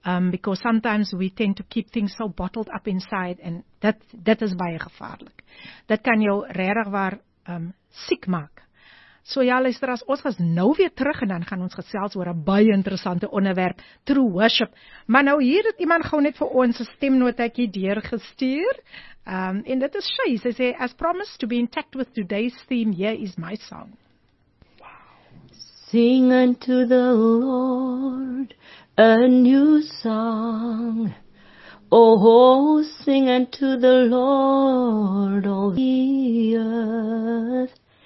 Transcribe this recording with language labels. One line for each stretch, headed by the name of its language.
English: Because sometimes we tend to keep things so bottled up inside, and that is
Afrikaans: baie gevaarlik. Dit kan jou regtig waar siek maak. So ja, luister, as ons gaan nou weer terug, en dan gaan ons gesels oor 'n baie interessante onderwerp, True Worship. Maar nou hier het iemand gou net vir ons 'n stemnotetjie deurgestuur, en dit is Shay. Sy sê,
English: as promised to be intact with today's theme, here is my song. Wow. Sing unto the Lord a new song. Oh, sing unto the Lord, all the earth.